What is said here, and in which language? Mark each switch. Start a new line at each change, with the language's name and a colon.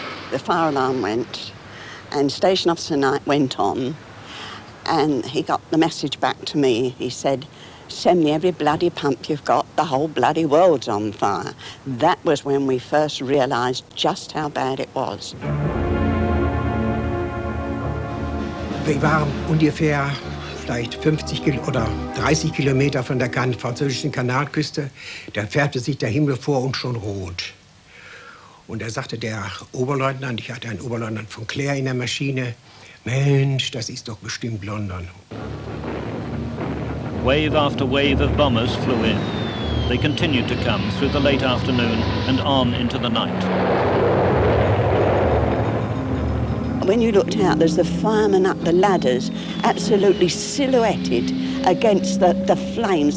English: The fire alarm went, and Station Officer Knight went on, and he got the message back to me. He said, "Send me every bloody pump you've got, the whole bloody world's on fire." That was when we first realised just how bad it was. We were
German: ungefähr vielleicht 50 oder 30 Kilometer von der französischen Kanalküste. Da färbte sich der Himmel vor uns schon rot. Und da sagte der Oberleutnant, ich hatte einen Oberleutnant von Claire in der Maschine, Mensch, das ist doch bestimmt London.
English: Wave after wave of bombers flew in. They continued to come through the late afternoon and on into the night. When you looked out, there's the firemen up the ladders, absolutely silhouetted against the flames.